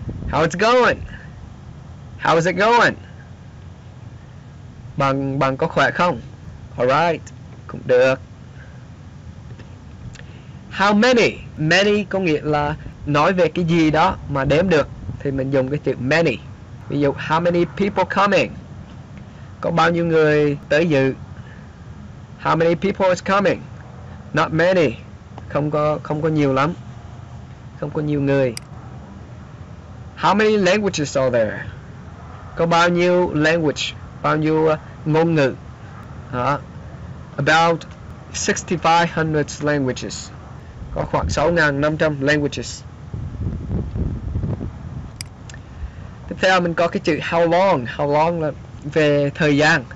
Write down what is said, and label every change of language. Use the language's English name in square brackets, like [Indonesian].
[English] How's it going? How's it going? [Vietnamese] Bạn bạn có khỏe không? [English] Alright, [Vietnamese] cũng được. [English] How many? [Vietnamese] Many có nghĩa là nói về cái gì đó mà đếm được thì mình dùng cái chữ many. Ví dụ, [English] how many people coming? [Vietnamese] Có bao nhiêu người tới dự? [English] How many people is coming? Not many. [Vietnamese] Không có nhiều lắm. Không có nhiều người. [English] How many languages are there? [Vietnamese] Có bao nhiêu language, bao nhiêu ngôn ngữ? Đó. [English] About 6500 languages. [Vietnamese] Có khoảng [English] 6500 languages. [Vietnamese] Tiếp theo mình có cái chữ how long. How long là về thời gian.